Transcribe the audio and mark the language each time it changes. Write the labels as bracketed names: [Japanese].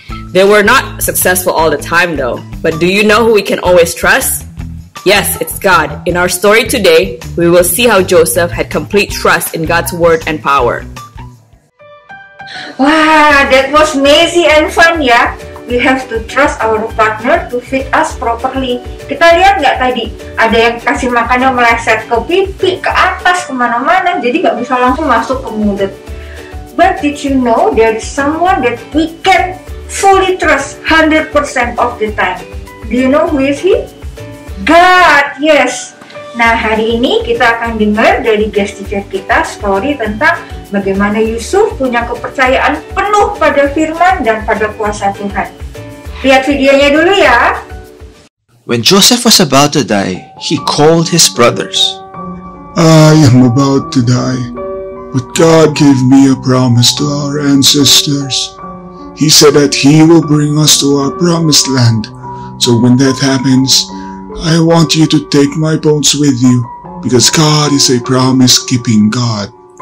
[English] They were not successful all the time though. But do you know who we can always trust? Yes, it's God. In our story today, we will see how Joseph had complete trust in God's word and power. Wow, that was messy and fun, yeah? We have to trust our partner to feed us properly. [Indonesian] Kita lihat nggak tadi? Ada yang kasih makannya meleset ke pipi, ke atas, kemana-mana. Jadi nggak bisa langsung masuk ke mulut. [English] But did you know there is someone that we can fully trust 100% of the time? Do you know who is he? God, yes. [Indonesian] Nah, hari ini kita akan dengar dari [English] guest teacher [Indonesian] kita story tentang bagaimana Yusuf punya kepercayaan penuh pada firman dan pada kuasa Tuhan. Lihat videonya dulu ya. [English] When Joseph was about to die, he called his brothers. I am about to die, but God gave me a promise to our ancestors. He said that he will bring us to our promised land. So when that happens, I want you to take my bones with you, because God is a promise-keeping God.